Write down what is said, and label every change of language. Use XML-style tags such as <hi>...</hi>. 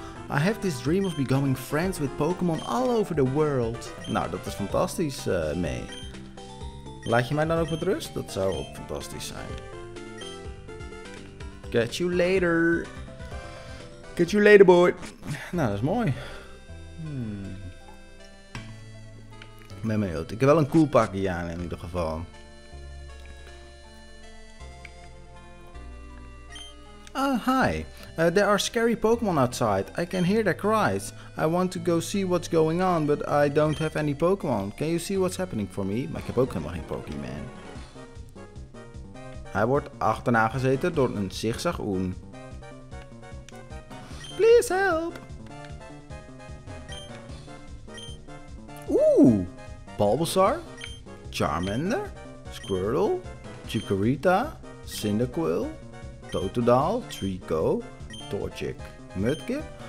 <en>I have this dream of becoming friends with Pokémon all over the world.</en> <nl>Nou, dat is fantastisch, May. Laat je mij dan ook met rust? Dat zou ook fantastisch zijn.</nl> <en>Catch you later. Catch you later, boy.</en> <nl>Nou, dat is mooi. Ben benieuwd. Ik heb wel een cool pakje aan in ieder geval.</nl> <en>Hi. There are scary Pokémon outside. I can hear their cries. I want to go see what's going on, but I don't have any Pokémon. Can you see what's happening for me?</en> <nl>Maar ik heb ook helemaal geen Pokémon. Hij wordt achterna gezeten door een zigzagoen.</nl> <en>Please help! Oeh! Bulbasaur, Charmander, Squirtle, Chikorita, Cyndaquil, Totodaal, Treecko, Torchic, Mudkip.</en>